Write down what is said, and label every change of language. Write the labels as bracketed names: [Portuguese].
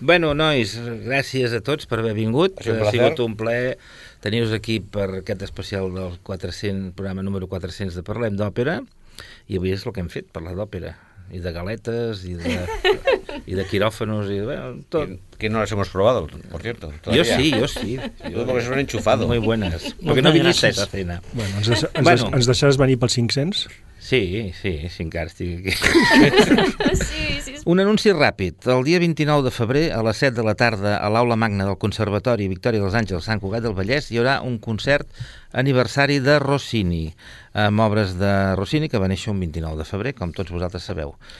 [Catalan] Bueno, nois, gràcies a tots per haver vingut. Ha sigut un plaer tenir-vos aquí per aquest especial del 400, programa número 400 de Parlem d'Òpera. I avui és el que hem fet, parlar d'òpera i de galetes i de quiròfanos i bé, tot. [Spanish] Que no les hemos probado, por cierto. Todavía. [Catalan] Jo sí. [Spanish] Jo porque son enchufado. Muy buenas. Porque no vinies a esa cena. [Catalan] Bueno, ens deixaràs venir pels 500? Sí, encara estic aquí. Sí, sí. Un anunci ràpid. El dia 29 de febrer, a les 7 de la tarda, a l'Aula Magna del Conservatori Victòria dels Àngels Sant Cugat del Vallès, hi haurà un concert aniversari de Rossini, amb obres de Rossini, que va néixer un 29 de febrer, com tots vosaltres sabeu.